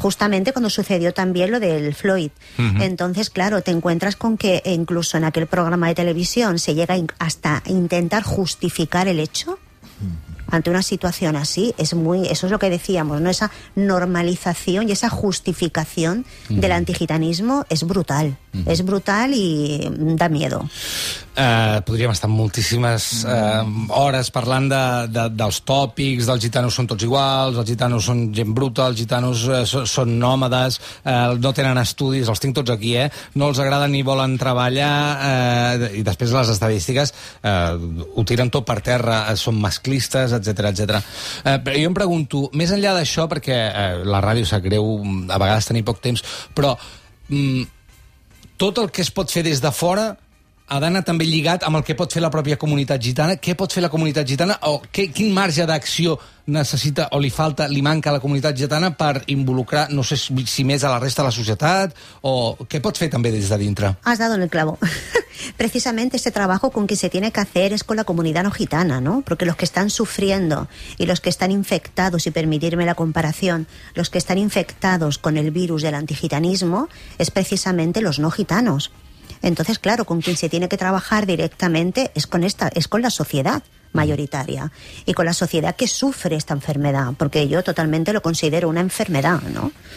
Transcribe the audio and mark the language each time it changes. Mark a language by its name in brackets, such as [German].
[Spanish] Justamente cuando sucedió también lo del Floyd. Uh-huh. Entonces, claro, te encuentras con que incluso en aquel programa de televisión se llega hasta intentar justificar el hecho. Ante una situación así, eso es lo que decíamos, ¿no? Esa normalización y esa justificación del antigitanismo es brutal. Mm-hmm. Es brutal y da miedo. [Catalan] Podríem estar moltíssimes hores parlant dels tòpics, dels gitanos són tots iguals, els gitanos són gent bruta, els gitanos són nòmades, no tenen estudis, els tinc tots aquí, no els agrada ni volen treballar, i després les estadístiques ho tiren tot per terra, són masclistes, etc. Però jo em pregunto, més enllà d'això, perquè la ràdio sap greu a vegades tenir poc temps, però tot el que es pot fer des de fora ha d'anar també lligat amb el que pot fer la pròpia comunitat gitana. Què pot fer la comunitat gitana? O quin marge d'acció necessita o li falta, li manca a la comunitat gitana per involucrar, no sé si més, a la resta de la societat? O què pot fer també des de dintre? [Spanish] Has dado en el clavo. Precisamente ese trabajo con que se tiene que hacer es con la comunidad no gitana, ¿no? Porque los que están sufriendo y los que están infectados, y permitirme la comparación, los que están infectados con el virus del antigitanismo es precisamente los no gitanos. Entonces, claro, con quien se tiene que trabajar directamente es con la sociedad mayoritaria y con la sociedad que sufre esta enfermedad, porque yo totalmente lo considero una enfermedad, ¿no?